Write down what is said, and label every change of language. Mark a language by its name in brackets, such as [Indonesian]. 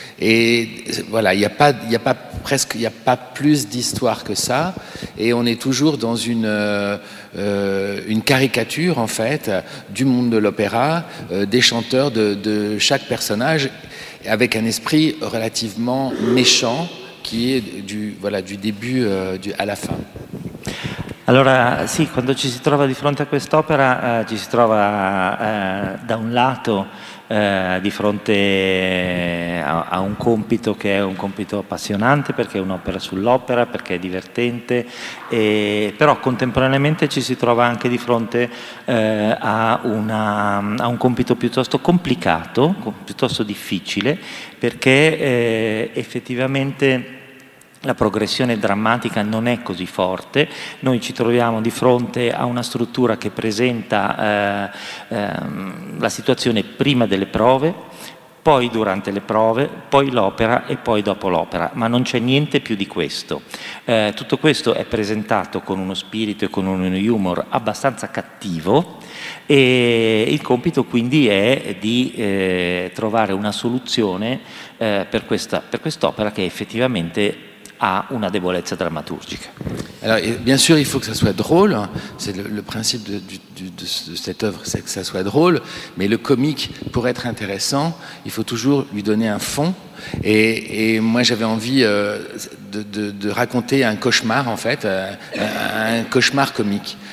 [French] Et voilà, il n'y a pas plus d'histoire que ça, et on est toujours dans une caricature en fait du monde de l'opéra, des chanteurs de chaque personnage, avec un esprit relativement méchant qui est du début à la fin. [Italian] Allora sì, quando ci si trova di fronte a quest'opera ci si trova da un lato di fronte a un compito che è un compito appassionante, perché è un'opera sull'opera, perché è divertente, e, però contemporaneamente ci si trova anche di fronte a un compito piuttosto complicato, piuttosto difficile, perché effettivamente la progressione drammatica non è così forte. Noi ci troviamo di fronte a una struttura che presenta la situazione prima delle prove, poi durante le prove, poi l'opera e poi dopo l'opera, ma non c'è niente più di questo. Tutto questo è presentato con uno spirito e con un humor abbastanza cattivo, e il compito quindi è di trovare una soluzione per quest'opera che effettivamente a una debolezza drammaturgica. [French] Alors, bien sûr, il faut que ça soit drôle, c'est le principe de cette œuvre, c'est que ça soit drôle, mais le comique, pour être intéressant, il faut toujours lui donner un fond, et moi j'avais envie de raconter un cauchemar, en fait, un cauchemar comique.